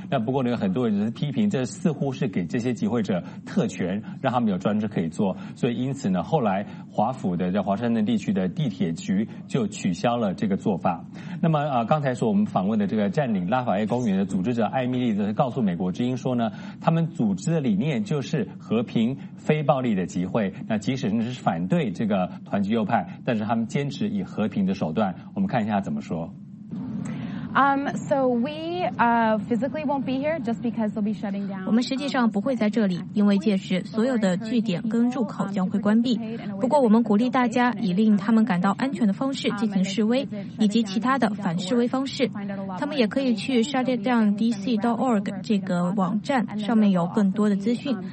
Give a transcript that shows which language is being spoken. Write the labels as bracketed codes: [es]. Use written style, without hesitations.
[zh] 那不过呢，很多人是批评这似乎是给这些集会者特权，让他们有专车可以坐，所以因此呢后来华府的在华盛顿地区的地铁局就取消了这个做法。那么刚才说我们访问的这个占领拉法叶公园的组织者艾米丽则是告诉美国之音说呢，他们组织的理念就是和平非暴力的集会，那即使是反对这个团结右派，但是他们坚持以和平的手段。我们看一下怎么说。 [en] Physically won't be here just because they'll be shutting down. [zh] 我们实际上不会在这里，因为届时所有的据点跟入口将会关闭。不过我们鼓励大家以令他们感到安全的方式进行示威，以及其他的反示威方式。他们也可以去 shutdowndc.org 这个网站，上面有更多的资讯。